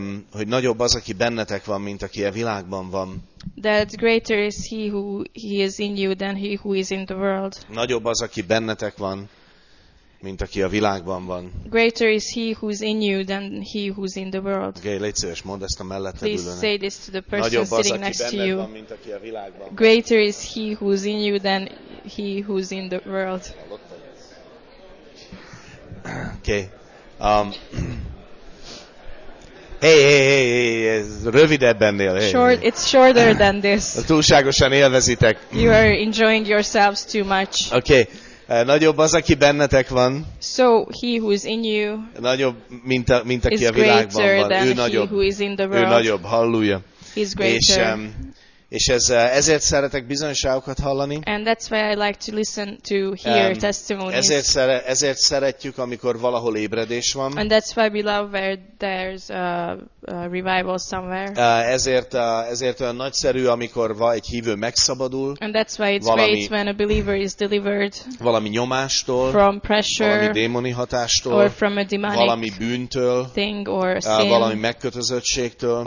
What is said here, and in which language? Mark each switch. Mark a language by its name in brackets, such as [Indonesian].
[Hungarian] Hogy nagyobb az, aki bennetek van, mint aki a világban van. [English] That greater is he who he is in you than he who is in the world. [Hungarian] Nagyobb az, aki bennetek van, mint aki a világban van. [English] Greater is he who is in you than he who is in the world. [Hungarian] Okay, légy szíves, mondd ezt a mellette ülőnek. [English] Please say this to the person [Hungarian] nagyobb [English] sitting [Hungarian] az, aki [English] next [Hungarian] bennetek [English] to you. [Hungarian] Van, mint aki a világban van. [English] Greater is he who is in you than he who is in the world. Okay. [Hungarian] Hey, ez rövidebb ennél. Hey. [English] Short, it's shorter than this. [Hungarian] Túlságosan élvezitek. [English] You are enjoying yourselves too much. Okay. [Hungarian] Nagyobb az, aki bennetek van. [English] So he who is in you. [Hungarian] Nagyobb, mint aki a világban van. [English] Than [Hungarian] ő nagyobb. [English] He who is in the world. [Hungarian] Ő nagyobb. Halleluja. [English] He's greater. [Hungarian] És ezért szeretek bizonyságokat hallani. [English] And that's why I like to listen to hear testimonies. [Hungarian] Ezért szeretjük, amikor valahol ébredés van. [English] And that's why we love where there's a revival somewhere. [Hungarian] Ezért olyan nagyszerű, amikor egy hívő megszabadul. [English] And that's why it's great when a believer is delivered. [Hungarian] Valami nyomástól. [English] From pressure. [Hungarian] Valami démoni hatástól. [English] Or from a demonic. [Hungarian] Valami bűntől. [English] Thing or sin. [Hungarian] Valami megkötözöttségtől.